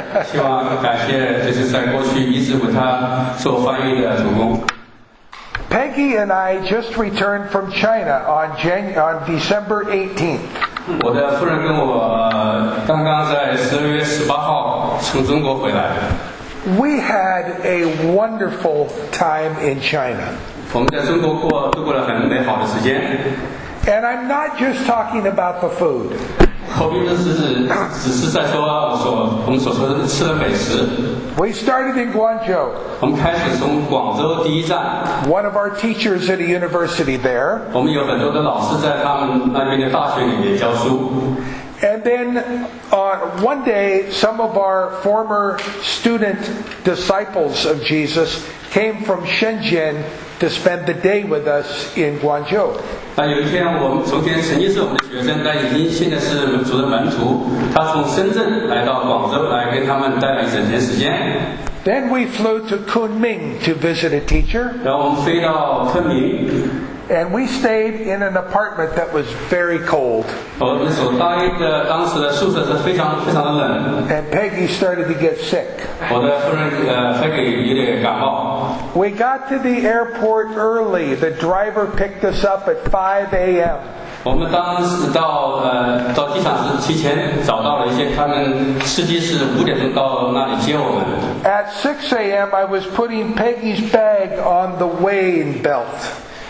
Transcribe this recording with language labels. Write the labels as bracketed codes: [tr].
[zh] 希望感谢就是在过去一直为他做翻译的主公。 [en] Peggy and I just returned from China on December 18th. [zh] 我的夫人跟我刚刚在12月18号从中国回来。 [en] We had a wonderful time in China. [zh] 我们在中国度过了很美好的时间。 [en] And I'm not just talking about the food. [zh] 我并不只是在说我们所说的吃的美食。 [en] We started in Guangzhou. [zh] 我们开始从广州第一站。 [en] One of our teachers at a university there. [zh] 我们有很多的老师在他们那边的大学里面教书。 [en] And then one day, some of our former student disciples of Jesus came from Shenzhen to spend the day with us in Guangzhou. [zh] 那有一天，我们从前曾经是我们的学生，但已经现在是主的门徒。他从深圳来到广州，来跟他们待了一整天时间。 [en] Then we flew to Kunming to visit a teacher. [zh] 然后我们飞到昆明。 [en] And we stayed in an apartment that was very cold. [zh] 我们所待的当时的宿舍是非常非常的冷。 [en] And Peggy started to get sick. [zh] 我的夫人Peggy 有点感冒。 [en] We got to the airport early. The driver picked us up at 5 a.m. [zh] 我们当时到机场是提前找到了一些，他们司机是五点钟到那里接我们。 [en] At 6 a.m. I was putting Peggy's bag on the weighing belt.